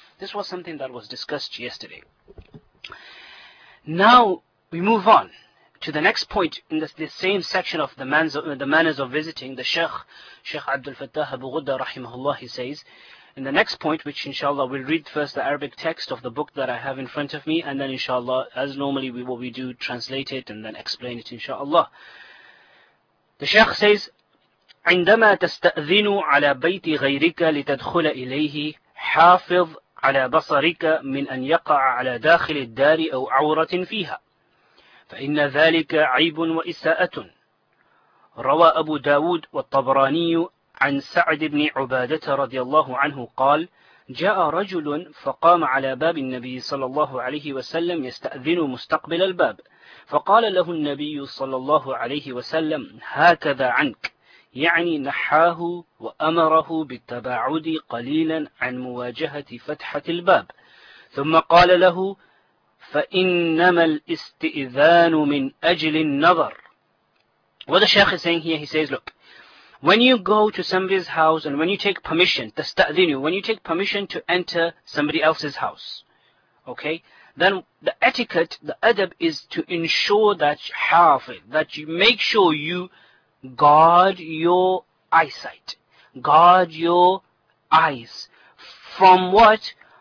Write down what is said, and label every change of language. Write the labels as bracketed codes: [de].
[en] This was something that was discussed yesterday. Now we move on to the next point in the same section of the manners of visiting. The Sheikh Abdul Fattah Abu Ghudda rahimahullah, he says, in the next point, which inshallah we'll read first the Arabic text of the book that I have in front of me, and then inshallah, as normally we what we do, translate it and then explain it inshallah. The Sheikh says, [ar] عندما تستأذن على بيت غيرك لتدخل إليه حافظ على بصرك من أن يقع على داخل الدار أو عورة فيها فإن ذلك عيب وإساءة. روى أبو داود والطبراني عن سعد بن عبادة رضي الله عنه قال جاء رجل فقام على باب النبي صلى الله عليه وسلم يستأذن مستقبل الباب، فقال له النبي صلى الله عليه وسلم هكذا عنك، يعني نحاه وأمره بالتباعد قليلا عن مواجهة فتحة الباب، ثم قال له فإنما الاستئذان من أجل النظر. [en] What the Sheikh is saying here, he says, look, when you go to somebody's house and when you take permission, تستأذنوا, when you take permission to enter somebody else's house, okay, then the etiquette, the adab is to ensure that حافظ, that you make sure you guard your eyesight, guard your eyes. From what?